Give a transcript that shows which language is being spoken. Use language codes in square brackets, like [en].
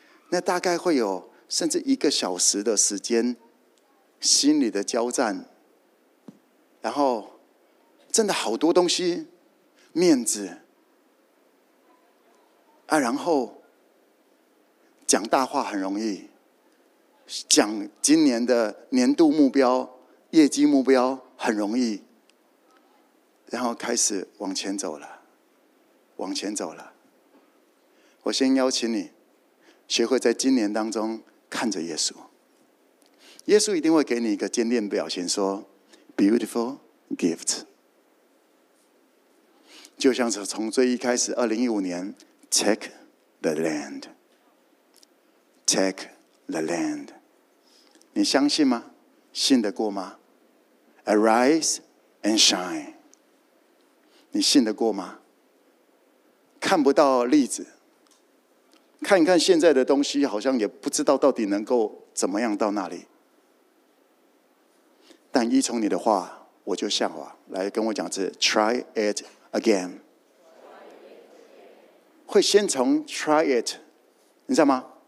[zh] 那大概会有甚至一个小时的时间，心里的交战，然后真的好多东西，面子啊，然后讲大话很容易，讲今年的年度目标、业绩目标很容易，然后开始往前走了，往前走了。我先邀请你，学会在今年当中看着耶稣，耶稣一定会给你一个坚定的表情，说 [en] "Beautiful gift"。 [zh] 就像是从最一开始，2015年 [en] "Take the land, take the land"， [zh] 你相信吗？信得过吗？ [en] Arise and shine， [zh] 你信得过吗？看不到例子，看一看现在的东西，好像也不知道到底能够怎么样到那里。但依从你的话，我就向往。来跟我讲这 [en] try it again， [zh] 会先从 [en] try it， [zh] 你知道吗？